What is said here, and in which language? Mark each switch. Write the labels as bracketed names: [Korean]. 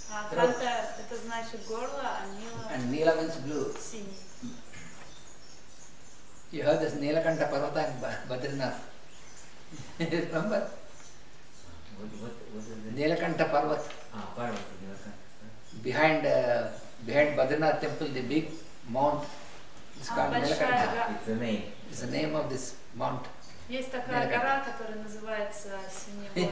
[Russian] Kantha, это значит горло, а Нила. [English] And Nila means blue. [Russian] Синий. [English] You heard this Neelakantha Parvata in Badrinath. Remember? What Neelakantha Parvat. Parvat. Behind Badrinath temple, the big mount is called Neelakantha. It's the name. It's the name of this mount. [Russian] Есть такая гора, которая называется Синий